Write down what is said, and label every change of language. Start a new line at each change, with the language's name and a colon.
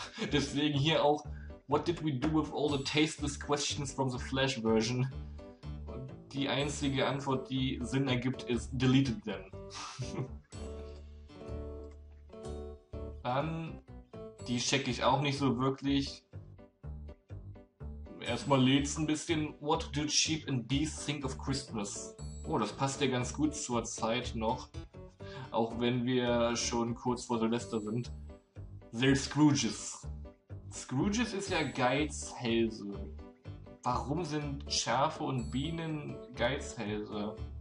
German: Deswegen hier auch:
English: What did we do with all the tasteless questions from the Flash version?
German: Und die einzige Antwort, die Sinn ergibt, ist
English: deleted them.
German: Dann, die checke ich auch nicht so wirklich. Erstmal lädt's ein bisschen.
English: What do sheep and bees think of Christmas?
German: Oh, das passt ja ganz gut zur Zeit noch. Auch wenn wir schon kurz vor Silvester sind.
English: They're Scrooges.
German: Scrooges ist ja Geizhälse. Warum sind Schafe und Bienen Geizhälse?